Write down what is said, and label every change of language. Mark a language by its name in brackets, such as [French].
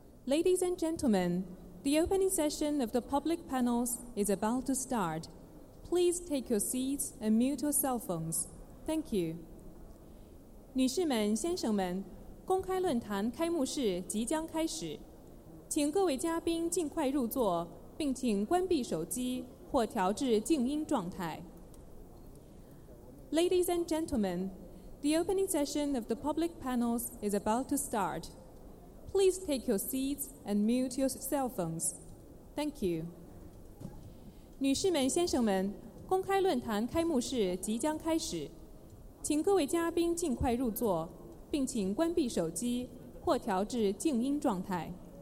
[English] Ladies and gentlemen, the opening session of the public panels is about to start. Please take your seats and mute your cell phones. Thank you. [Chinese] 女士们、先生们，公开论坛开幕式即将开始，请各位嘉宾尽快入座，并请关闭手机或调至静音状态。 [English] Ladies and gentlemen, the opening session of the public panels is about to start. Please take your seats and mute your cell phones. Thank you. [Chinese] 女士们、先生们，公开论坛开幕式即将开始，请各位嘉宾尽快入座，并请关闭手机或调至静音状态。